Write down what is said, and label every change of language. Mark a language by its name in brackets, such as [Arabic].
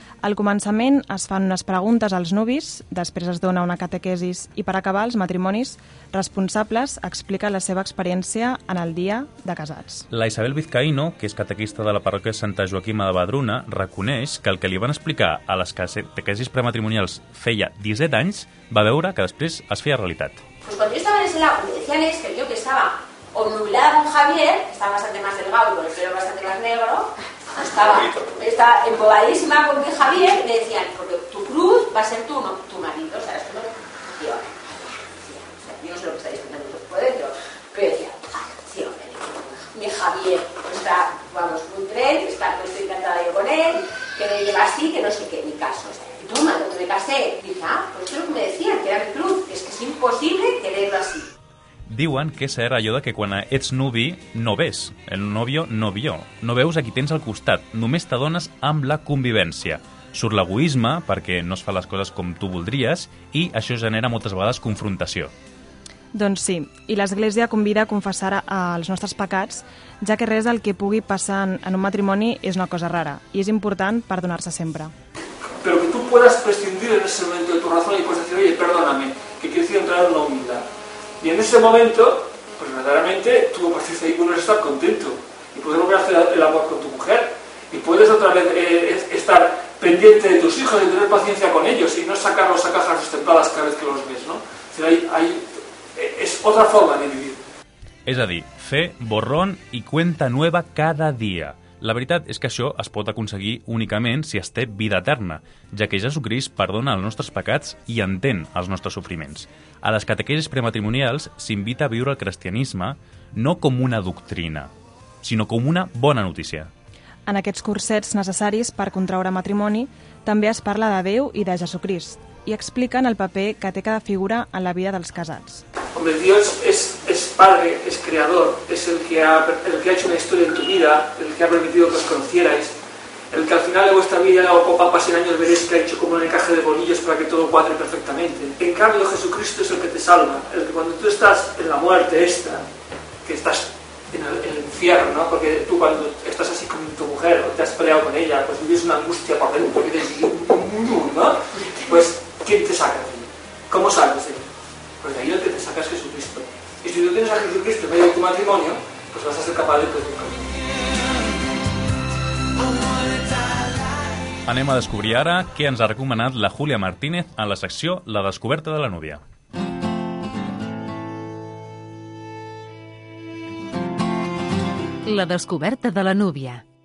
[Catalan] Al començament es fan unes preguntes als nuvis, després es dona una catequesis i, per acabar, els matrimonis responsables expliquen la seva experiència en el dia de casats. La Isabel Vizcaíno, que és catequista de la parròquia Santa Joaquima de Vedruna, reconeix que el que li van explicar a les catequesis prematrimonials feia 17 anys va veure que després es feia realitat. [Spanish] Pues cuando yo estaba en ese lado, me decían es que yo que estaba... Obnubilada con Javier, estaba bastante más delgado, con el pelo bastante más negro, estaba embobadísima con que Javier, me decían, porque tu cruz va a ser tú, no, tu marido, o sea, esto no me decía, yo no sé lo que está diciendo por dentro, pero decía, sí, hombre, mi Javier, está, vamos, un tren, está, estoy encantada yo con él, que me lleva así, que no sé qué, ni caso, o sea, y toma, cuando me casé, dice, ah, pues es lo que me decían, que era mi cruz, es que es imposible quererlo así. [Catalan] Diuen que serà allò de que quan ets nuvi no ves, [Spanish] el novio no vio, [Catalan] no veus a qui tens al costat, només t'adones amb la convivència. Surt l'egoisme perquè no es fa les coses com tu voldries i això genera moltes vegades confrontació. Doncs sí, i l'Església convida a confessar els nostres pecats, ja que res del que pugui passar en un matrimoni és una cosa rara i és important perdonar-se sempre. [Spanish] Pero que tú puedas prescindir en ese momento de tu razón y puedes decir, oye, perdóname, que quiero decir entrar en la humildad. Y en ese momento, pues verdaderamente, tú a partir de ahí puedes estar contento y puedes volver a hacer el amor con tu mujer y puedes otra vez estar pendiente de tus hijos y tener paciencia con ellos y no sacarlos a cajas destempladas cada vez que los ves, ¿no? O sea, hay, es otra forma de vivir. [Catalan] És a dir, fe, [Spanish] borrón i cuenta nueva [Catalan] cada dia. La veritat és que això es pot aconseguir únicament si es té vida eterna, ja que Jesucrist perdona els nostres pecats i entén els nostres sofriments. A les catequesis prematrimonials s'invita a viure el cristianisme no com una doctrina, sinó com una bona notícia. En aquests cursets necessaris per contraure matrimoni també es parla de Déu i de Jesucrist i expliquen el paper que té cada figura en la vida dels casats. [Spanish] Hombre, Dios es padre, es creador, es el que ha hecho una historia en tu vida, el que ha permitido que os conocierais, el que al final de vuestra vida, o con papas en años, veréis que ha hecho como un encaje de bolillos para que todo cuadre perfectamente. En cambio, Jesucristo es el que te salva, el que cuando tú estás en la muerte esta, que estás en el infierno, ¿no? Porque tú cuando estás así con tu mujer, o te has peleado con ella, pues vives una angustia por dentro, porque eres un ¿no? Pues, ¿quién te saca de ahí? ¿Cómo sales de ahí? Pues de ahí lo que te saca es Jesucristo. Y si tú tienes a Jesucristo en medio de tu matrimonio, pues vas a ser capaz de pedir conmigo. [Catalan] Anem a descobrir ara què ens ha recomanat la Júlia Martínez en la secció La descoberta de la núvia. La descoberta de la núvia.